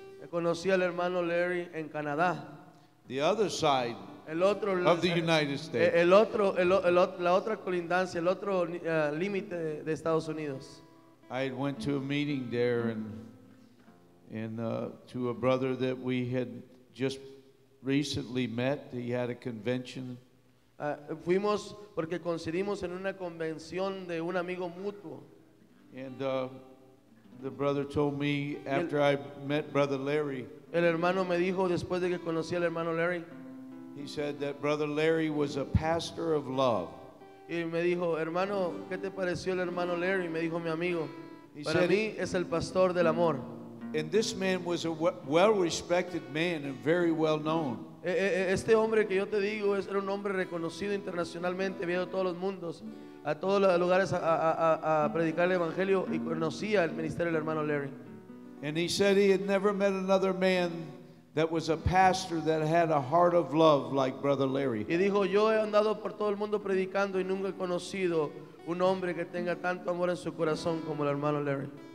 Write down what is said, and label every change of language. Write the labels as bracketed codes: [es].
[es] Conocí al hermano Larry en Canadá. [en] The other side of the United States. [es] La otra colindancia, el otro límite de Estados Unidos. [en] I went to a meeting there to a brother that we had just recently met. He had a convention. [es] Fuimos porque coincidimos en una convención de un amigo mutuo. [en] And the brother told me after I met Brother Larry. [es] El hermano me dijo después de que conocí al hermano Larry. [en] He said that Brother Larry was a pastor of love. [es] Y me dijo, hermano, ¿qué te pareció el hermano Larry? Me dijo mi amigo. Para mí es el pastor del amor. [en] And this man was a well-respected man and very well-known. [es] Este hombre que yo te digo era un hombre reconocido internacionalmente, viendo todos los mundos, a todos los lugares a predicar el evangelio y conocía el ministerio del hermano Larry. [en] And he said he had never met another man that was a pastor that had a heart of love like Brother Larry. [es] Y dijo, yo he andado por todo el mundo predicando y nunca he conocido un hombre que tenga tanto amor en su corazón como el hermano Larry.